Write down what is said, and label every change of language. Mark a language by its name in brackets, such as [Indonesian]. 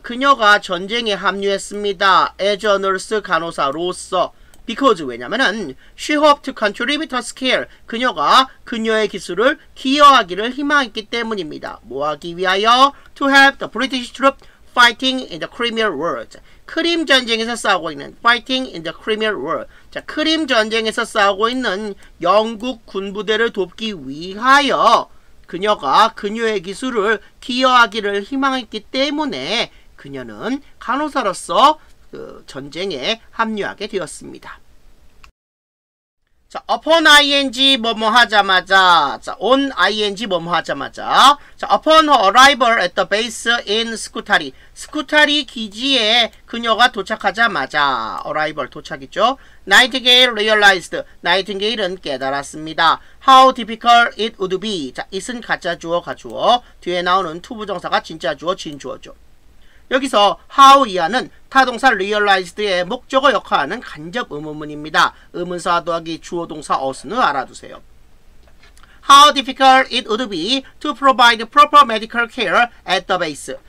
[Korean] 그녀가 전쟁에 합류했습니다. [English] as a nurse, [Korean] 간호사로서. [English] Because, [Korean] 왜냐면은, [English] she hoped to contribute her skill. [Korean] 그녀가 그녀의 기술을 기여하기를 희망했기 때문입니다. 뭐 하기 위하여? [English] To help the British troops fighting in the Crimean War. [Korean] 자, 크림 전쟁에서 싸우고 있는, [English] fighting in the Crimean War. [Korean] 자, 크림 전쟁에서 싸우고 있는 영국 군부대를 돕기 위하여 그녀가 그녀의 기술을 기여하기를 희망했기 때문에 그녀는 간호사로서 그 전쟁에 합류하게 되었습니다. [English] 자, upon ing [Korean] 뭐뭐 하자마자, [English] 자, on ing 뭐뭐 하자마자, 자, upon her arrival at the base in Scutari, Scutari [Korean] 기지에 그녀가 도착하자마자, [English] arrival [Korean] 도착이죠. [English] Nightingale realized, Nightingale은 [Korean] 깨달았습니다. [English] How difficult it would be, [Korean] 자, it은 가짜 주어 가주어, 뒤에 나오는 to 부정사가 진짜 주어 진주어죠. 여기서 how 이하는 타동사 realized의 목적어 역할하는 간접 의문문입니다. 의문사 더하기 주어 동사 어순을 알아두세요. [English] How difficult it would be to provide proper medical care at the base.